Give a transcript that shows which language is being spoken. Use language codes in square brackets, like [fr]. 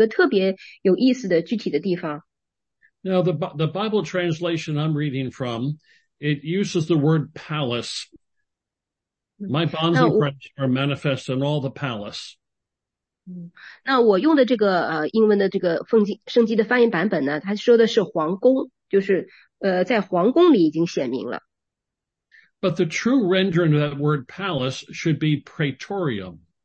[zh] 我们来看一下13节有一个特别有意思的具体的地方。 [en] Now, the Bible translation I'm reading from, it uses the word palace. My bonds of Christ are manifest in all the palace. [zh] 那我用的这个英文的这个圣经的翻译版本呢，它说的是皇宫，就是在皇宫里已经显明了。 [en] But the true rendering of that word palace should be praetorium.